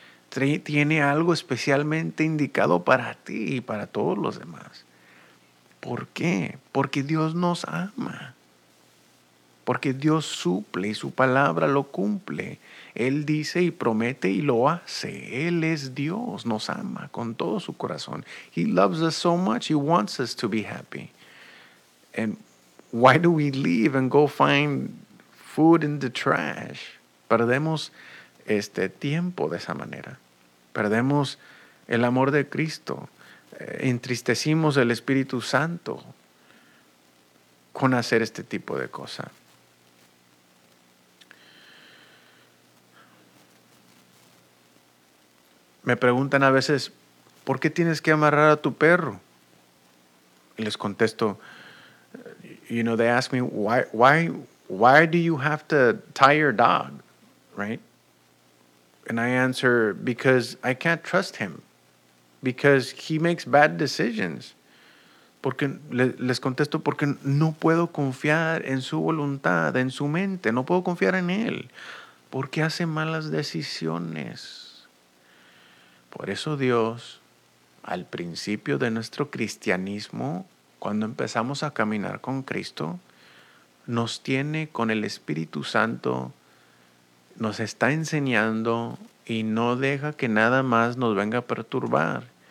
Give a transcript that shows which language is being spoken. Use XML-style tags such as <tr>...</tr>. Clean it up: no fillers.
<es>Tiene algo especialmente indicado para ti y para todos los demás. ¿Por qué? Porque Dios nos ama. Porque Dios suple y su palabra lo cumple. Él dice y promete y lo hace. Él es Dios, nos ama con todo su corazón.</es> <en>He loves us so much, He wants us to be happy. And why do we leave and go find food in the trash?</en> <es>Perdemos este tiempo de esa manera. Perdemos el amor de Cristo. Entristecimos el Espíritu Santo con hacer este tipo de cosas. Me preguntan a veces, ¿por qué tienes que amarrar a tu perro? Y les contesto,</es> <en>you know, they ask me, why do you have to tie your dog, right? And I answer, because I can't trust him, because he makes bad decisions.</en> <es>Porque les contesto, porque no puedo confiar en su voluntad, en su mente, no puedo confiar en él, porque hace malas decisiones. Por eso Dios, al principio de nuestro cristianismo, cuando empezamos a caminar con Cristo, nos tiene con el Espíritu Santo, nos está enseñando y no deja que nada más nos venga a perturbar.</es>